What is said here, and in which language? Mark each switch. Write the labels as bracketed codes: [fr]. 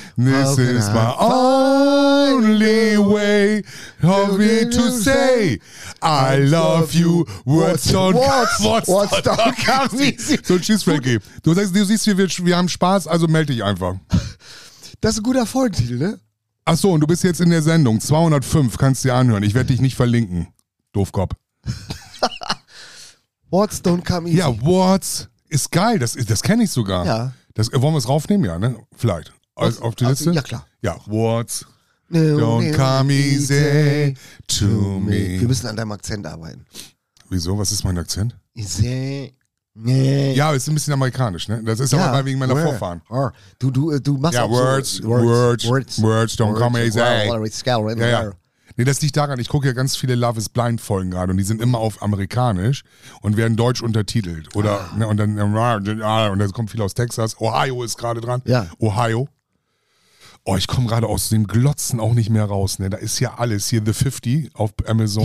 [en] This is my only way for me to say I love you. Words don't come easy. [de] So, tschüss, Frankie. Du siehst, wir haben Spaß, also melde dich einfach. Das ist ein guter Folgentitel, ne? Ach so, und du bist jetzt in der Sendung. 205, kannst du dir anhören. Ich werde dich nicht verlinken. Doofkopf. [en] Words don't come easy. [de] Ja, Words ist geil. Das kenne ich sogar. Ja. Das, wollen wir es raufnehmen? Ja, ne? Vielleicht. Auf die Liste? Ja, klar. [en] Ja, Words don't come easy to me. [de] Wir müssen an deinem Akzent arbeiten. Wieso? Was ist mein Akzent? Easy. Nee. Ja, ist ein bisschen amerikanisch, ne? Das ist aber wegen meiner Vorfahren. Du machst [en] ja, words, so, words, words, words, words, words don't words, come easy. Well, [de] ja, ja. Nee, das liegt daran, ich gucke ja ganz viele Love is Blind Folgen gerade und die sind immer auf amerikanisch und werden deutsch untertitelt. Oder ne, und dann kommt viel aus Texas. Ohio ist gerade dran. Ja. Ohio. Oh, ich komme gerade aus dem Glotzen auch nicht mehr raus. Ne? Da ist ja alles. Hier The 50 auf Amazon.